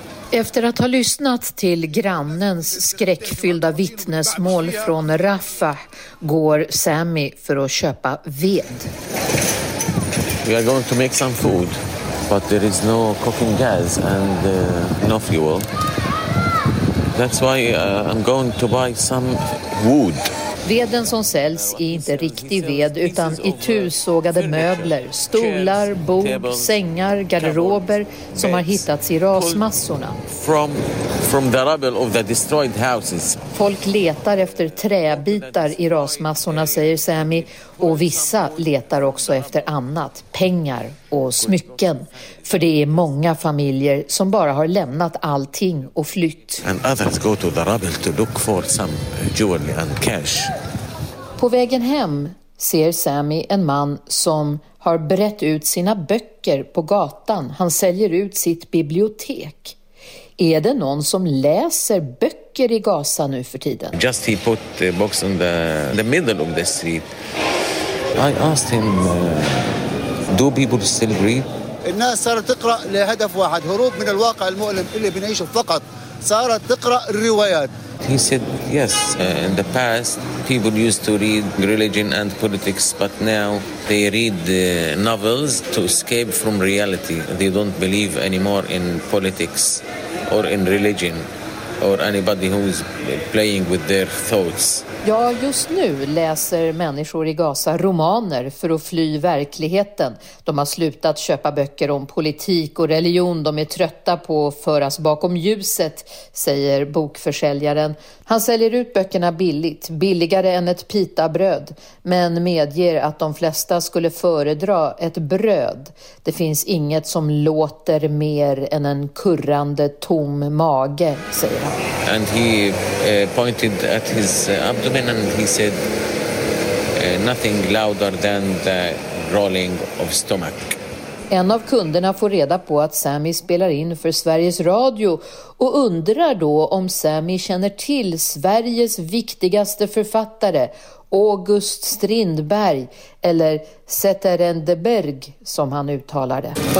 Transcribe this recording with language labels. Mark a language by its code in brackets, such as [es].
[sv] Efter att ha lyssnat till grannens skräckfyllda vittnesmål från Rafah går Sami för att köpa ved. [en] We are going to make some food, but there is no cooking gas and no fuel. That's why I'm going to buy some wood. [sv] Veden som säljs är inte riktig ved utan itusågade möbler, stolar, bord, sängar, garderober som har hittats i rasmassorna. [en] From the rubble of the destroyed houses. [sv] Folk letar efter träbitar i rasmassorna, säger Sami, och vissa letar också efter annat, pengar och smycken, för det är många familjer som bara har lämnat allting och flytt. [en] And others go to the rubble to look for some jewelry and cash. [sv] På vägen hem ser Sami en man som har brett ut sina böcker på gatan. Han säljer ut sitt bibliotek. Är det någon som läser böcker i Gaza nu för tiden? [en] Just he put the box in the middle of the street. I asked him, do people still read? [ar] الناس صارت تقرا لهدف واحد هروب من الواقع المؤلم اللي بنعيشه فقط صارت تقرا الروايات. [en] He said, yes, in the past people used to read religion and politics, but now they read novels to escape from reality. They don't believe anymore in politics or in religion or anybody who is playing with their thoughts. [sv] Ja, just nu läser människor i Gaza romaner för att fly verkligheten. De har slutat köpa böcker om politik och religion. De är trötta på att föras bakom ljuset, säger bokförsäljaren. Han säljer ut böckerna billigt, billigare än ett pitabröd, men medger att de flesta skulle föredra ett bröd. Det finns inget som låter mer än en kurrande tom mage, säger han. And he pointed at his abdomen and he said nothing louder than the rolling of stomach. En av kunderna får reda på att Sami spelar in för Sveriges Radio och undrar då om Sami känner till Sveriges viktigaste författare August Strindberg, eller Zetterberg som han uttalade.